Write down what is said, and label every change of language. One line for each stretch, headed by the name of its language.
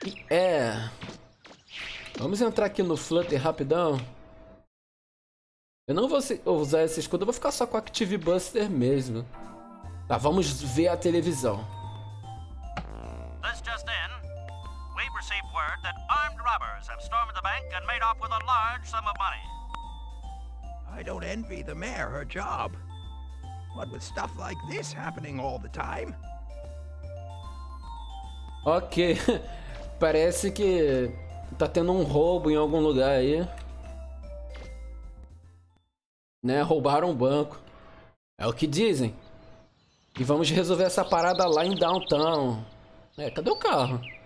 Portuguese: É. Vamos entrar aqui no Flutter rapidão. Eu não vou usar esse escudo. Eu vou ficar só com a Active Buster mesmo. Tá, vamos ver a televisão.
English: This just in, we've received word that armed robbers have stormed the bank and made off with a large sum of money. I don't envy the mayor her job. What with stuff like this happening all the time?
Portuguese: Ok, parece que tá tendo um roubo em algum lugar aí. Né, roubaram um banco. É o que dizem. E vamos resolver essa parada lá em Downtown. É, cadê o carro?